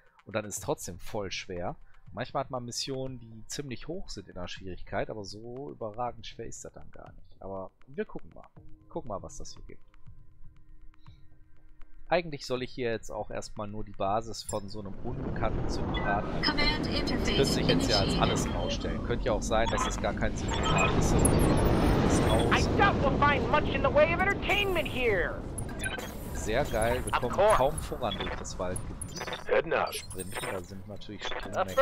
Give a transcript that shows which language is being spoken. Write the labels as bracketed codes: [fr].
[de] Und dann ist trotzdem voll schwer. Manchmal hat man Missionen, die ziemlich hoch sind in der Schwierigkeit, aber so überragend schwer ist das dann gar nicht. Aber wir gucken mal. Gucken mal, was das hier gibt. Eigentlich soll ich hier jetzt auch erstmal nur die Basis von so einem unbekannten Syndikat. Das könnte sich jetzt ja als alles rausstellen. Könnte ja auch sein, dass es gar kein Syndikat ist. [en] I doubt we'll find much in the way of entertainment here. [de] Sehr geil, wir kommen kaum voran durch das Waldgebiet. Sprinten, da sind natürlich Sprinten.